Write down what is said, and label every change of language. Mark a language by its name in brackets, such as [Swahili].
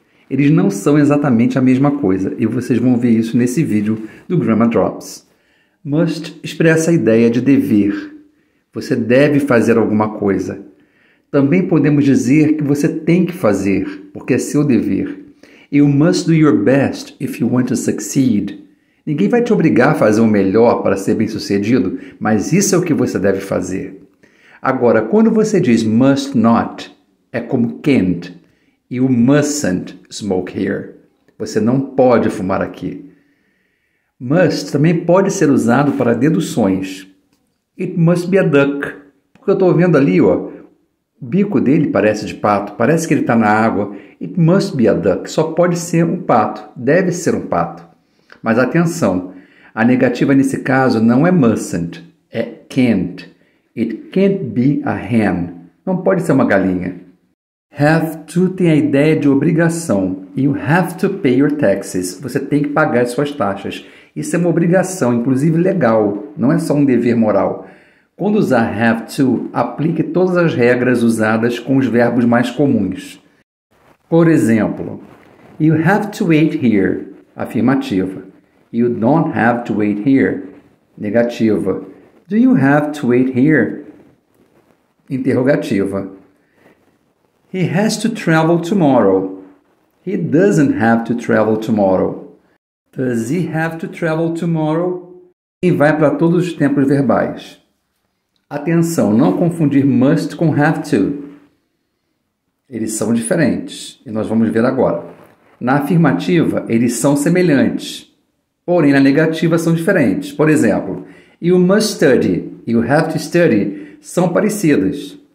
[Portuguese] Eles não são exatamente a mesma coisa, e vocês vão ver isso nesse vídeo do Grammar Drops. Must expressa a ideia de dever. Você deve fazer alguma coisa. Também podemos dizer que você tem que fazer, porque é seu dever. [English] E o must do your best if you want to succeed. [Portuguese] Ninguém vai te obrigar a fazer o melhor para ser bem-sucedido, mas isso é o que você deve fazer. Agora, quando você diz must not, é como can't, e o [English] mustn't smoke here. [Portuguese] Você não pode fumar aqui. Must também pode ser usado para deduções. [English] It must be a duck. [Portuguese] Porque eu estou vendo ali, ó, o bico dele parece de pato, parece que ele está na água. [English] It must be a duck. [Portuguese] Só pode ser um pato. Deve ser um pato. Mas atenção, a negativa nesse caso não é mustn't, é can't. [English] It can't be a hen. [Portuguese] Não pode ser uma galinha. Have to tem a ideia de obrigação. [English] You have to pay your taxes. [Portuguese] Você tem que pagar as suas taxas. Isso é uma obrigação, inclusive legal. Não é só um dever moral. Quando usar have to, aplique todas as regras usadas com os verbos mais comuns. Por exemplo, [English] you have to wait here. [Portuguese] Afirmativa. [English] You don't have to wait here. [Portuguese] Negativa. [English] Do you have to wait here? [Portuguese] Interrogativa. [English] He has to travel tomorrow. He doesn't have to travel tomorrow. Does he have to travel tomorrow? [Portuguese] E vai para todos os tempos verbais. Atenção, não confundir must com have to. Eles são diferentes. E nós vamos ver agora. Na afirmativa, eles são semelhantes. Porém, na negativa, são diferentes. Por exemplo, [English] you must study [Portuguese] e [English] you have to study [Portuguese] são parecidas.